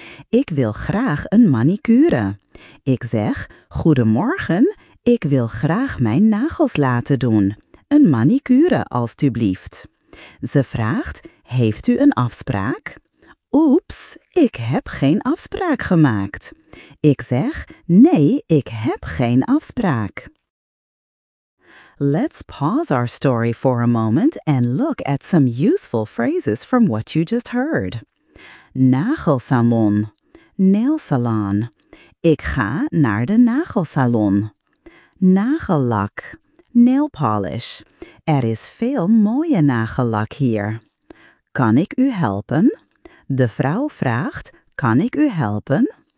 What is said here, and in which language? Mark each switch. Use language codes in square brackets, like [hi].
[nl] Ik wil graag een manicure. Ik zeg: "Goedemorgen, ik wil graag mijn nagels laten doen. Een manicure, alstublieft." Ze vraagt: "Heeft u een afspraak?" Oeps, ik heb geen afspraak gemaakt. Ik zeg: "Nee, ik heb geen afspraak." [en] Let's pause our story for a moment and look at some useful phrases from what you just heard. [nl] Nagelsalon, nail salon. Ik ga naar de nagelsalon. Nagellak, nail polish. Er is veel mooie nagellak hier. Kan ik u helpen? De vrouw vraagt: "Kan ik u helpen?"